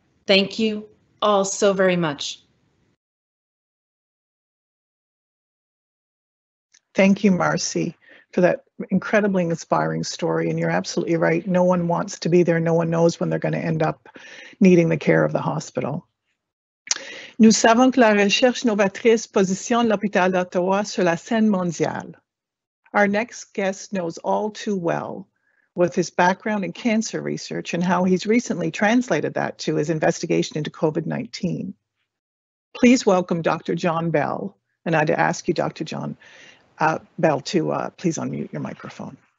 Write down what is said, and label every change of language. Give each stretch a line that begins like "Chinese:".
English: Thank you all so very much. Thank you, Marcie, for that incredibly inspiring story. And you're absolutely right. No one wants to be there. No one knows when they're going to end up needing the care of the hospital.
French: Nous savons que la recherche novatrice positionne l'hôpital d'Ottawa sur la scène mondiale.
English: Our next guest knows all too well, with his background in cancer research and how he's recently translated that to his investigation into COVID-19. Please welcome Dr. John Bell. And I'd ask you, Dr. John Bell, to please unmute your microphone.